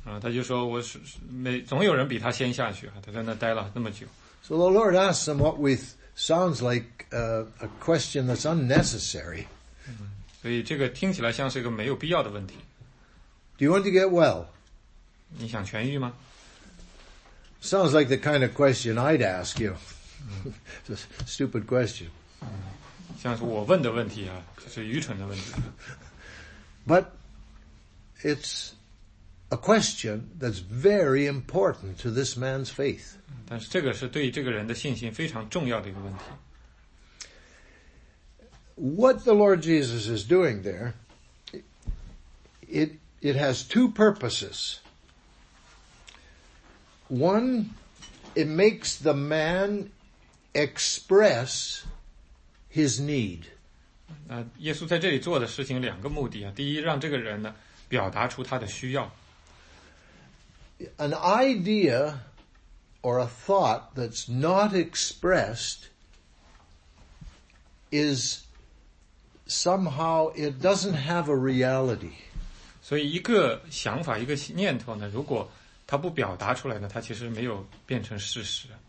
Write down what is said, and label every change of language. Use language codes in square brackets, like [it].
[zh] 他就说我是总有人比他先下去，他在那待了那么久。 [en] So the Lord asks him what we sounds like a question that's unnecessary. [zh] 所以这个听起来像是一个没有必要的问题。 [en] Do you want to get well? [zh] 你想痊愈吗？ [en] Sounds like the kind of question I'd ask you. It's a stupid question. [zh] 像是我问的问题啊，就是愚蠢的问题。 [en] But it's a question that's very important to this man's faith. [zh] 但是这个是对这个人的信心非常重要的一个问题。 [en] What the Lord Jesus is doing there, it has two purposes. One, it makes the man express his need. [zh] 耶稣在这里做的事情两个目的啊，第一，让这个人呢表达出他的需要。 [en] An idea or a thought that's not expressed is somehow it doesn't have a reality. [zh] 所以一个想法一个念头呢，如果它不表达出来呢，它其实没有变成事实。